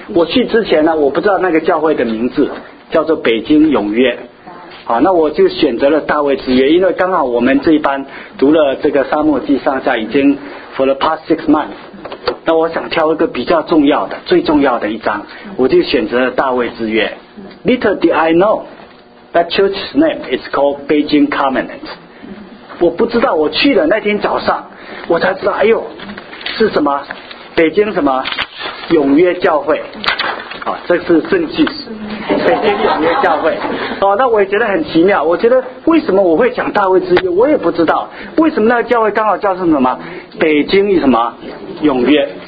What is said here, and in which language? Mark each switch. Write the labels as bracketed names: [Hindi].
[Chinese] 我去之前呢，我不知道那个教会的名字叫做北京永约，好，那我就选择了大卫之约，因为刚好我们这一班读了这个撒母耳记上下已经 [English] for the past six months， [Chinese] 那我想挑一个比较重要的、最重要的一章，我就选择了大卫之约。 [English] Little did I know。 That church's name is called Beijing Covenant。 [Chinese] 我不知道，我去了那天早上我才知道，哎呦，是什么北京什么永约教会。好，这是证据，北京永约教会。好，那我也觉得很奇妙，我觉得为什么我会讲大卫之约，我也不知道为什么那个教会刚好叫什么北京什么永约。